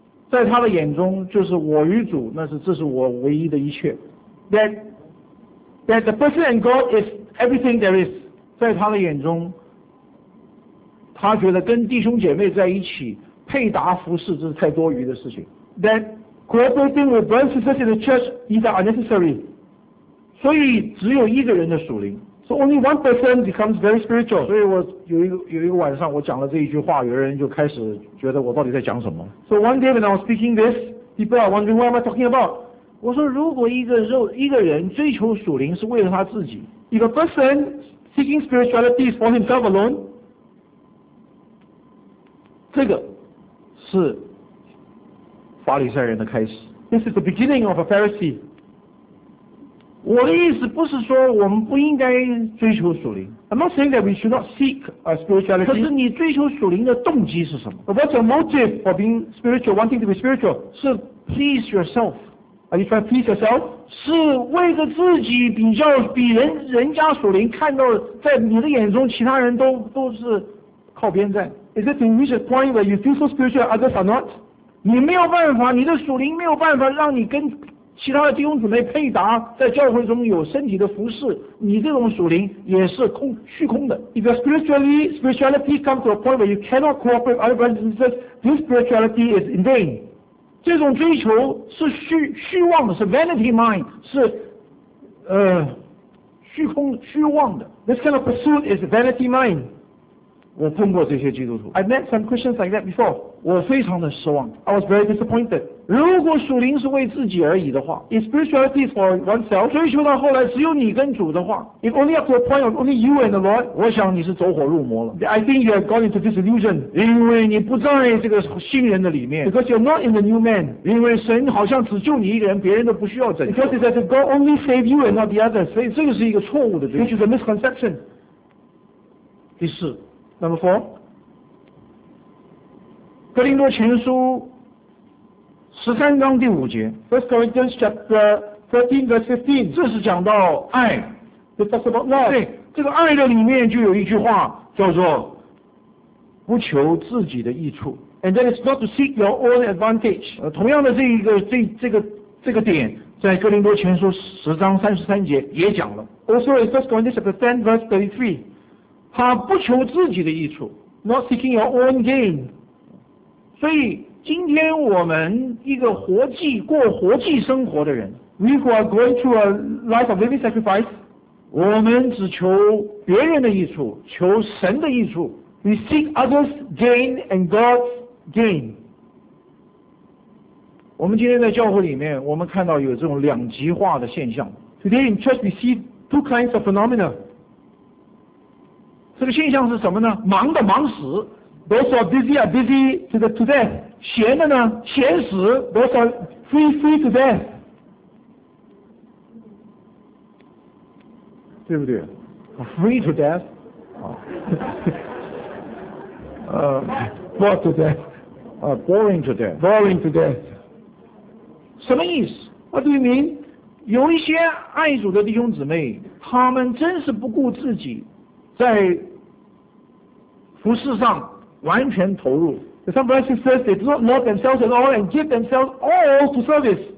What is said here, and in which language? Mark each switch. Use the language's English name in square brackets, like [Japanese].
[Chinese] 在他的眼中，就是我与主，那是这是我唯一的一切。 [English] That the person and God is everything there is。 [Chinese] 在他的眼中，他觉得跟弟兄姐妹在一起配搭服侍，这是太多余的事情。 [English] That cooperating with brothers and sisters in the church is unnecessary。 [Chinese] 所以只有一个人的属灵。 [English] So only one person becomes very spiritual. [Chinese] 所以我有一个晚上，我讲了这一句话，有人就开始觉得我到底在讲什么。 [English] So one day when I was speaking this, people are wondering what am I talking about. [Chinese] 我说如果一个人追求属灵是为了他自己 [English] ，if a person seeking spirituality is for himself alone, [Chinese] 这个是法利赛人的开始。 [English] This is the beginning of a Pharisee. [Chinese] 我的意思不是说我们不应该追求属灵。 [English] I'm not saying that we should not seek a spirituality. [Chinese] 可是你追求属灵的动机是什么 [English] ？What's your motive for being spiritual, wanting to be spiritual? 是 please yourself. Are you trying to please yourself? [Chinese] 是为了自己比较比人家属灵，看到在你的眼中其他人都是靠边站。 [English] Is it to reach a point where you feel so spiritual, others are not? [Chinese] 你没有办法，你的属灵没有办法让你跟其他的弟兄姊妹配搭，在教会中有身体的服侍，你这种属灵也是空虚空的。 [English] If your spirituality comes to a point where you cannot cooperate with other brothers, this spirituality is in vain. [Chinese] 这种追求是虚妄的，是 [English] vanity mind, [Chinese] 是虚空虚妄的。 [English] This kind of pursuit is vanity mind. [Chinese] 我碰过这些基督徒。 [English] I've met some Christians like that before. [Chinese] 我非常的失望。 [English] I was very disappointed. [Chinese] 如果属灵是为自己而已的话 [English] ，if spirituality is for oneself， [Chinese] 追求到后来只有你跟主的话 [English] ，if only up to a point of only you and the Lord， [Chinese] 我想你是走火入魔了。 [English] I think you have gone into disillusion， [Chinese] 因为你不在这个新人的里面。 [English] Because you're not in the new man， [Chinese] 因为神好像只救你一个人，别人都不需要拯救。 [English] Because it says God only save you and not the others， [Chinese] 所以这个是一个错误的追求。 [English] Which is a misconception。 [Chinese] 第四 [English] ，Number four， [Chinese] 哥林多前书。十三章第五节 [English] ，First Corinthians chapter 13 verse 15， [Chinese] 这是讲到爱 [English] ，It talks about love。 [Chinese] 对，这个爱的里面就有一句话叫做“不求自己的益处 [English] ”，And that is not to seek your own advantage。 [Chinese] 同样的这个点，在哥林多前书十章三十三节也讲了 [English] ，Also in First Corinthians chapter 10 verse 33， [Chinese] 他不求自己的益处 [English] ，Not seeking your own gain。 [Chinese] 所以。今天我们一个活祭过活祭生活的人 [English] ，We who are going through a life of living sacrifice， [Chinese] 我们只求别人的益处，求神的益处。 [English] We seek others' gain and God's gain。 [Chinese] 我们今天在教会里面，我们看到有这种两极化的现象。 [English] Today in church we see two kinds of phenomena. [Chinese] 这个现象是什么呢？忙的忙死。 [English] Those who are busy are busy to the to death. [Chinese] 闲的呢？闲死。 [English] Those who are free free to death. [Chinese] 对不对？ [English] Free to death. bored to death. Boring to death. Boring to death. [Chinese] 什么意思？ [English] What do you mean? [Chinese] 有一些爱主的弟兄姊妹，他们真是不顾自己，在服事上完全投入。 [English] Some brothers and sisters, they do not love themselves at all and give themselves all to service.